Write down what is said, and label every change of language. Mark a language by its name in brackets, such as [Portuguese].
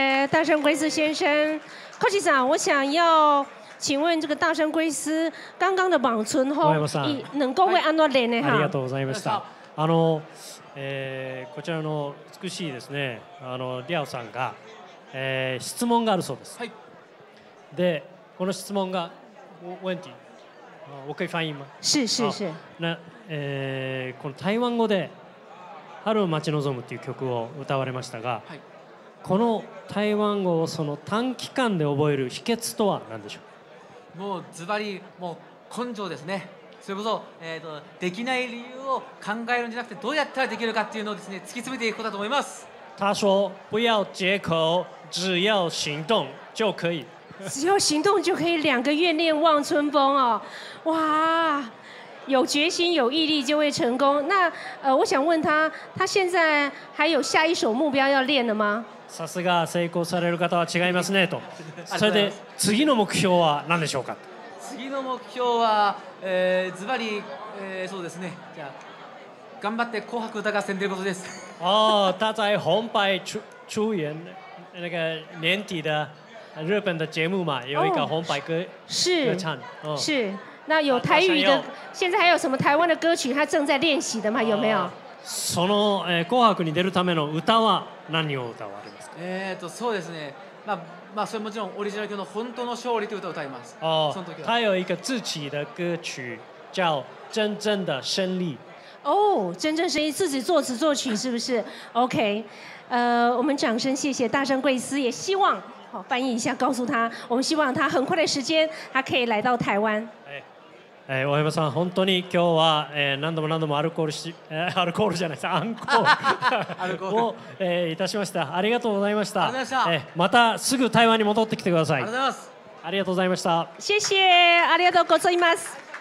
[Chinese] 大山圭司先生 ，Koji-san， 我想要请问这个大山圭司刚刚的榜存后，能够为安诺连呢？ [Japanese] 哈，ありがとうございました。あの、こちらの美しいですね、あのリアオさんが、質問があるそうです。はい。で、この質問が、Wendy、 [Chinese] 我可以翻译吗？是是是。 [Japanese] 那、この台湾語で春を待ち望むという曲を歌われましたが。はい。この台湾語をその短期間で覚える秘訣とは何でしょう。もうズバリもう根性ですね。それこそ、できない理由を考えるんじゃなくてどうやったらできるかっていうのをですね突き詰めていくことだと思います。 [Chinese] 他说不要借口，只要行动就可以。只要行动就可以两个月念望春风哦，哇！有决心有毅力就会成功。那我想问他，他现在还有下一首目标要练的吗？ [Japanese] さすが成功される方は違いますねと。それで次の目標は何でしょうか？次の目標はズバリそうですね。じゃあ頑張って紅白歌合戦出ることです。 [Chinese] 哦，他在红白出演那个年底的日本的节目嘛，有一个红白歌是歌唱是。那有台语的，现在还有什么台湾的歌曲他正在练习的吗？有没有？ [Japanese] その紅白に出るための歌は何を歌われますか？そうですね。まあそれもちろんオリジナル曲の本当の勝利という歌を歌います。哦，その時は。 [Chinese] 他有一个自己的歌曲叫《真正的胜利》。哦，真正胜利自己作词作曲是不是？OK， 我们掌声谢谢大山贵司，也希望好翻译一下，告诉他，我们希望他很快的时间他可以来到台湾。 [Japanese] 大山さん、本当に今日は、何度も何度もアルコールし、アルコールじゃないです、アンコールを、いたしました。ありがとうございました。ありがとうございました。またすぐ台湾に戻ってきてください。ありがとうございます。ありがとうございました。 [Chinese] 谢谢、 [Japanese] ありがとうございます。